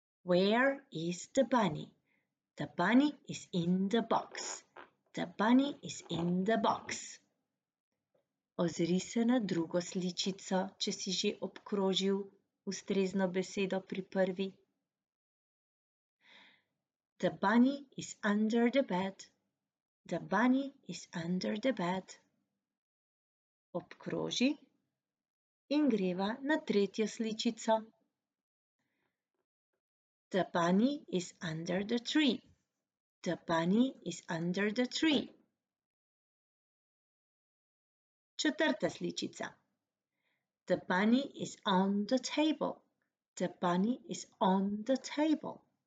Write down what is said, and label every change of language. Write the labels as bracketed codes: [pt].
[en] Where is the bunny? The bunny is in the box. The bunny is in the box. [sl] Ozri se na drugo sličico, če si že obkrožil ustrezno besedo pri prvi. [en] The bunny is under the bed. The bunny is under the bed. [sl] Obkroži in greva na tretjo sličico. [en] The bunny is under the tree. The bunny is under the tree. [sl] Četrta sličica. [en] The bunny is on the table. The bunny is on the table.